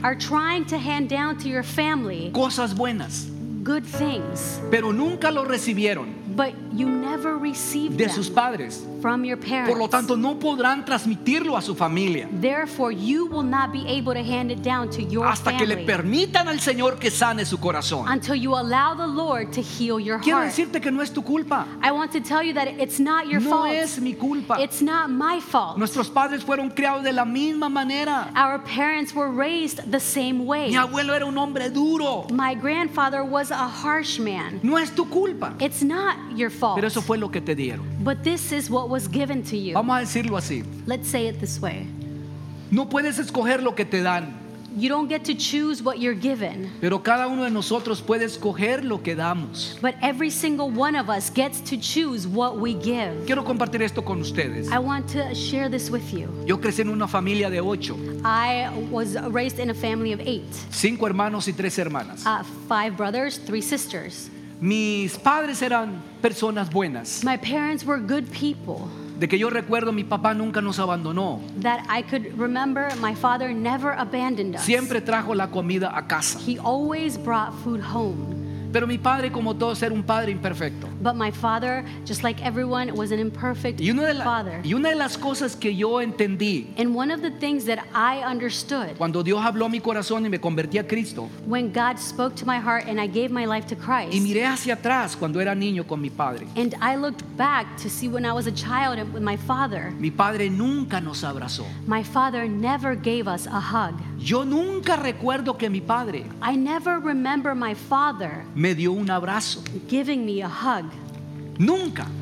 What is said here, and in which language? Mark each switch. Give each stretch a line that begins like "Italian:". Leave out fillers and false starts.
English: are trying to hand down to your family,
Spanish: cosas buenas,
English: good things,
Spanish: pero nunca lo recibieron,
English: but you never received
Spanish: de sus padres,
English: from your parents.
Spanish: Por lo tanto, no podrán transmitirlo a su familia.
English: Therefore, you will not be able to hand it down to your
Spanish: hasta
English: family.
Spanish: Que le permitan al Señor que sane su corazón.
English: Until you allow the Lord to heal your
Spanish: quiero
English: heart.
Spanish: Decirte que no es tu culpa.
English: I want to tell you that it's not your
Spanish: no
English: fault.
Spanish: Es mi culpa.
English: It's not my fault.
Spanish: Nuestros padres fueron criados de la misma manera.
English: Our parents were raised the same way.
Spanish: Mi abuelo era un hombre duro.
English: My grandfather was a harsh man.
Spanish: No es tu culpa.
English: It's not your fault.
Spanish: Pero eso fue lo que te dieron.
English: But this is what was given to you.
Spanish: Vamos a decirlo así.
English: Let's say it this way.
Spanish: No puedes escoger lo que te dan.
English: You don't get to choose what you're given.
Spanish: Pero cada uno de nosotros puede escoger lo que damos.
English: But every single one of us gets to choose what we give.
Spanish: Quiero compartir esto con ustedes.
English: I want to share this with you.
Spanish: Yo crecí en una familia de 8.
English: I was raised in a family of 8.
Spanish: 5 hermanos y 3 hermanas.
English: 5 brothers, 3 sisters.
Spanish: Mis padres eran personas buenas.
English: My parents were good people.
Spanish: De que yo recuerdo, mi papá nunca nos abandonó.
English: That I could remember, my father never abandoned us.
Spanish: Siempre trajo la comida a casa.
English: He always brought food home.
Spanish: Pero mi padre, como todos, era un padre imperfecto.
English: But my father, just like everyone, was an imperfect father.
Spanish: Y una de las cosas que yo entendí,
English: and one of the things that I understood,
Spanish: cuando Dios habló a mi corazón y me convertí a Cristo,
English: when God spoke to my heart and I gave my life to Christ,
Spanish: y miré hacia atrás cuando era niño con mi padre,
English: and I looked back to see when I was a child with my father,
Spanish: mi padre nunca nos abrazó.
English: My father never gave us a hug.
Spanish: Yo nunca recuerdo que mi padre,
English: I never remember my father,
Spanish: me dio un abrazo,
English: giving me a hug.
Spanish: Nunca,